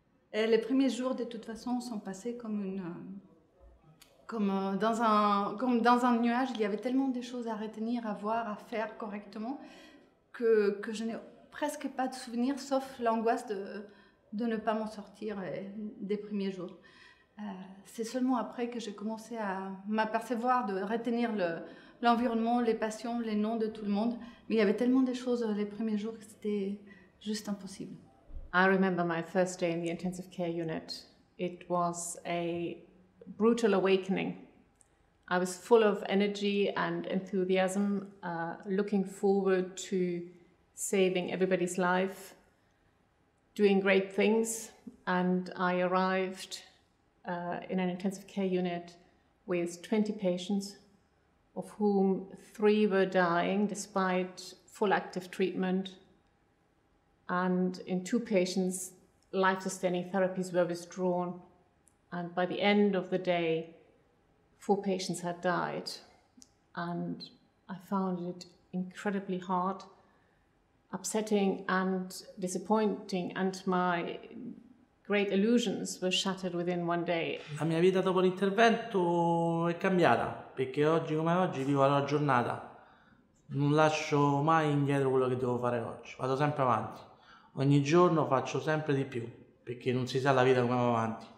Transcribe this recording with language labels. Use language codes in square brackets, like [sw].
[fr] Les premiers jours de toute façon sont passés comme dans un nuage, il y avait tellement de choses à retenir, à voir, à faire correctement que je n'ai presque pas de souvenirs, sauf l'angoisse de ne pas m'en sortir des premiers jours. C'est seulement après que j'ai commencé à m'apercevoir de retenir l'environnement, les passions, les noms de tout le monde. Mais il y avait tellement de choses les premiers jours que c'était juste impossible. [en] I remember my first day in the intensive care unit. It was a brutal awakening. I was full of energy and enthusiasm, looking forward to saving everybody's life, doing great things. And I arrived in an intensive care unit with 20 patients, of whom 3 were dying despite full active treatment. And in 2 patients, life-sustaining therapies were withdrawn. And by the end of the day, 4 patients had died, and I found it incredibly hard, upsetting and disappointing, and my great illusions were shattered within one day. [it] La mia vita dopo l'intervento è cambiata, perché oggi come oggi vivo la giornata. Non lascio mai indietro quello che devo fare oggi, vado sempre avanti. Ogni giorno faccio sempre di più, perché non si sa la vita come va avanti.